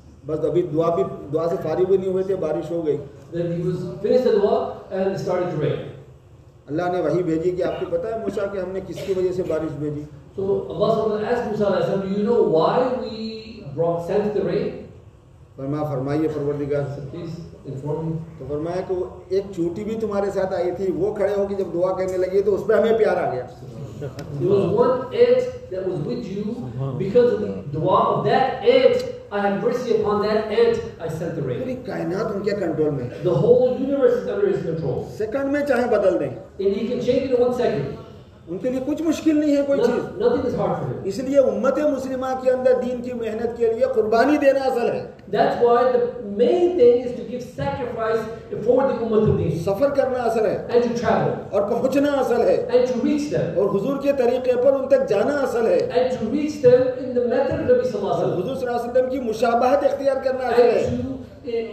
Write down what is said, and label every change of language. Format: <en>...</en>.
<hi>बस अभी दुआ भी दुआ से फारिग भी नहीं हुए थे, बारिश हो गई।</hi> <en>Then he was finished the dua and it started to rain.</en> <hi>अल्लाह ने वही भेजी कि आपको पता है मूसा कि हमने किसकी वजह से बारिश भेजी?</hi> <en>So Allah subhanahu wa ta'ala asked Musa alayhi salam, do you know why we brought sent the rain?</en> <hi>फरमाइए परवरदिगार। तो फरमाया कि वो एक चूटी भी तुम्हारे साथ आई थी, वो खड़े होकर जब दुआ करने लगी तो उस पर हमें प्यार आ गया।</hi> <en>There was one ant that was with you because of the dua of that ant. I have mercy upon that ant. I sent the rain.</en> <hi>पूरी कायनात उनके कंट्रोल में।</hi> <en>The whole universe is under his control.</en> <hi>Second में चाहे बदल दें।</hi> <en>And he can change it in one second.</en> <hi>उनके लिए कुछ मुश्किल नहीं है कोई चीज।</hi> <en>Nothing is hard for him.</en> <hi>इसलिए उम्मत मुस्लिमा के अंदर दीन की मेहनत के लिए कुर्बानी देना असल है।</hi> <en>That's why the main thing is to give sacrifice for the ummat of deen.</en> <hi>सफर करना असल है।</hi> <en>And to travel.</en> <hi>और पहुंचना असल है।</hi> <en>And to reach them.</en> <hi>और हुजूर के तरीके पर उन तक जाना असल है।</hi> <en>And to reach them in the method of Nabi sallallahu alaihi wasallam.</en> <hi>हुजूर सल्लल्लाहु अलैहि वसल्लम की मुशाबहत इख्तियार करना असल है।</hi>